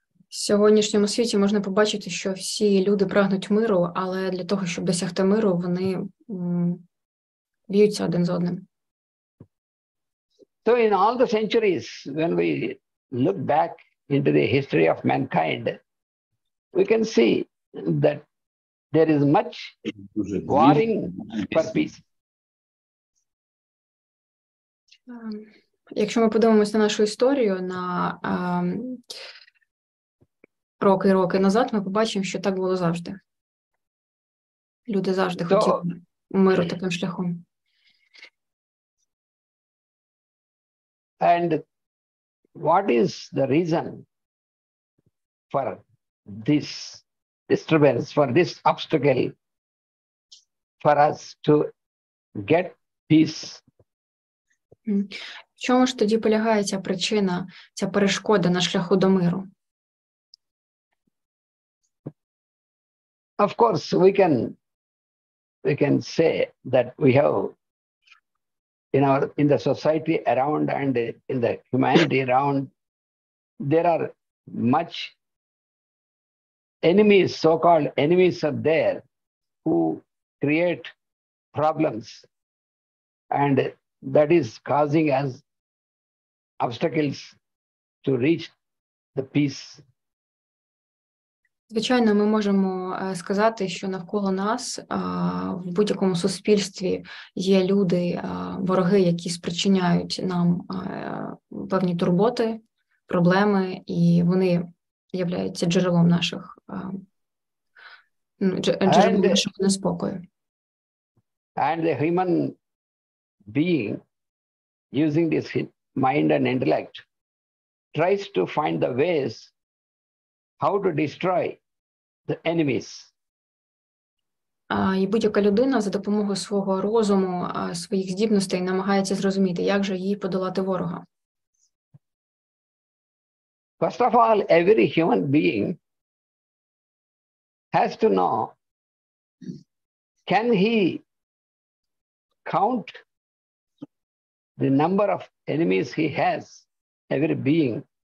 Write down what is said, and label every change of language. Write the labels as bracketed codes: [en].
[uk] В сьогоднішньому світі можна побачити, що всі люди прагнуть миру, але для того, щоб досягти миру, вони б'ються один з одним. [en] So in all the centuries, when we look back into the history of mankind, we can see that there is much warring for peace. [uk] Якщо ми подивимося на нашу історію, на роки і роки назад, ми побачимо, що так було завжди. Люди завжди хотіли миру таким шляхом. [en] And what is the reason for this disturbance, for this obstacle for us to get peace? [uk] В чому ж тоді полягає ця причина, ця перешкода на шляху до миру? [en] Of course, we can say that we have in the society around and in the humanity around, there are much enemies, so-called enemies are there who create problems, and that is causing us obstacles to reach the peace. [uk] Звичайно, ми можемо сказати, що навколо нас в будь-якому суспільстві є люди, вороги, які спричиняють нам певні турботи, проблеми, і вони являються джерелом наших нашого неспокою. [en] And the human being, using this mind and intellect, tries to find the ways how to destroy the enemies. [uk] І будь-яка людина за допомогою свого розуму, своїх здібностей намагається зрозуміти, як же їй подолати ворога. [en] First of all, every human being has to know, can he count the number of enemies he has, every being?